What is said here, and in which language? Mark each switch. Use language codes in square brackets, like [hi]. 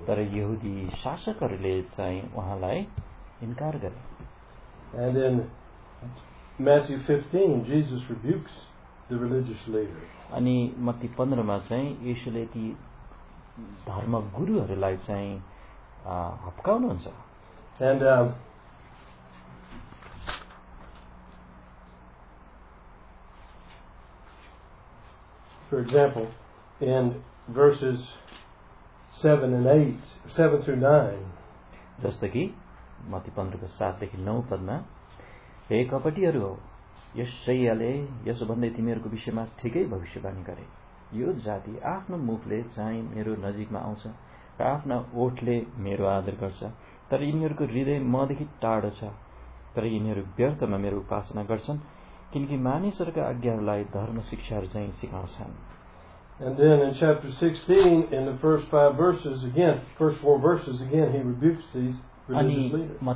[ne] तर यहुदी शासकहरूले चाहिँ उहाँलाई इन्कार गरे. [en] And in Matthew 15, Jesus rebukes the religious leaders. [ne] अनि मत्ती 15मा चाहिँ यीशुले ती धर्म गुरुहरूलाई चाहिँ हप्काउनुहुन्छ. [en] And for example, in verses 7 and 8, 7 through 9. [ne] जस्तो कि मत्ती 15 को 7 देखि 9 पदमा हे कपटीहरु हो यशायाले यसो भन्दै तिमीहरुको विषयमा ठिकै भविष्यवाणी गरे. यो जाति आफ्नो मुखले चाहिँ मेरो नजिकमा आउँछ र आफ्ना ओठले मेरो आदर गर्छ, तर यिनीहरुको हृदय मदेखि टाढो छ. तर यिनीहरु व्यर्थमा मेरो उपासना गर्छन्, किनकि मानिसहरूका आज्ञाहरूलाई धर्म शिक्षाहरू चाहिँ सिकाउँछन्. [en] And then in chapter 16, in the first 5 verses, again, first 4 verses, again, he rebukes these religious leaders.